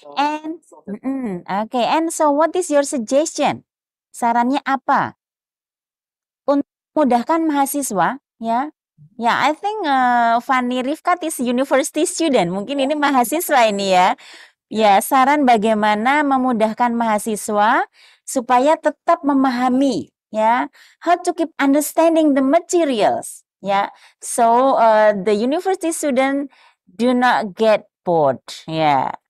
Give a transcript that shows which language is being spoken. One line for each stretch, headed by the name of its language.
English: And okay, and so what is your suggestion?
Indonesian: Sarannya apa? Untuk memudahkan mahasiswa. Ya, yeah.
English: Yeah, I think Fanny Rifkat is university student.
Indonesian: Mungkin ini mahasiswa ini ya. Ya, yeah, saran bagaimana memudahkan mahasiswa supaya tetap memahami, ya.
English: Yeah. How to keep understanding the materials, ya. Yeah. So the university student do not get bored, ya. Yeah.